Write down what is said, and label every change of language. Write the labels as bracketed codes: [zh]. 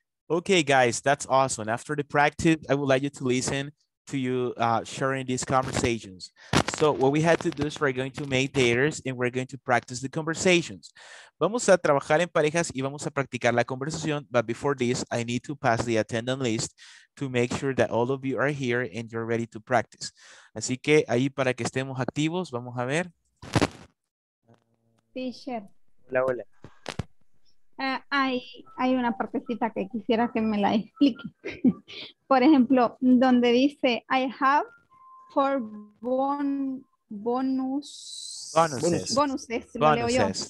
[en] Okay, guys, that's awesome. After the practice, I would like you to listen to you sharing these conversations. So what we had to do is we're going to make pairs and we're going to practice the conversations. [es] Vamos a trabajar en parejas y vamos a practicar la conversación. [en] But before this, I need to pass the attendance list to make sure that all of you are here and you're ready to practice. [es] Así que ahí para que estemos activos, vamos a ver. Fisher. Hola, hola. Hay una partecita que quisiera que me la explique. Por ejemplo, donde dice [en] I have four bonuses. [es] Lo leo yo.